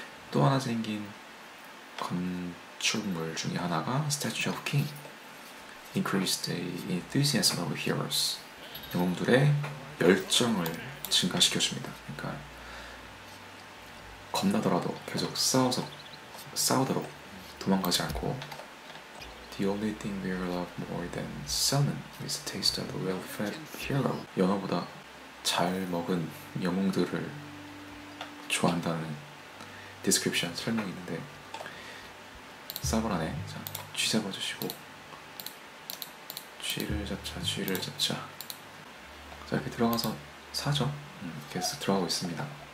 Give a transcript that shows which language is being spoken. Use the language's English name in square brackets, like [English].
[Korean] 또 하나 생긴 건축물 중에 하나가 Statue of King. [English] Increase the enthusiasm of heroes. [Korean] 영웅들의 열정을 증가시켜줍니다. 그러니까 겁나더라도 계속 싸우도록 도망가지 않고. [English] The only thing we love more than salmon is the taste of a well-fed hero. [Korean] 연어보다 잘 먹은 영웅들을 좋아한다는 description 설명이 있는데 사브라네 자, 쥐 잡아주시고 쥐를 잡자 자, 이렇게 들어가서 사죠. 계속 들어가고 있습니다.